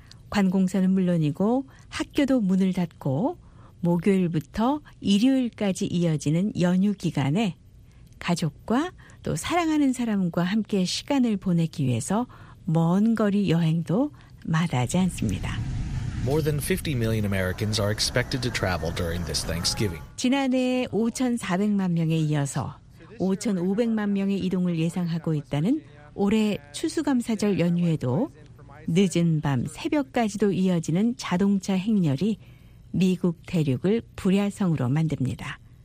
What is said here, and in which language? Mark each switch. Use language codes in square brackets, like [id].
[ko] 관공서는 물론이고 학교도 문을 닫고 목요일부터 일요일까지 이어지는 연휴 기간에 가족과 또 사랑하는 사람과 함께 시간을 보내기 위해서 먼 거리 여행도 마다하지 않습니다. [en] More than 50 million Americans are expected to travel during this Thanksgiving. [ko] 지난해 5,400만 명에 이어서 5,500만 명의 이동을 예상하고 있다는 올해 추수감사절 연휴에도 늦은 밤 새벽까지도 이어지는 자동차 행렬이 미국 대륙을 불야성으로 만듭니다.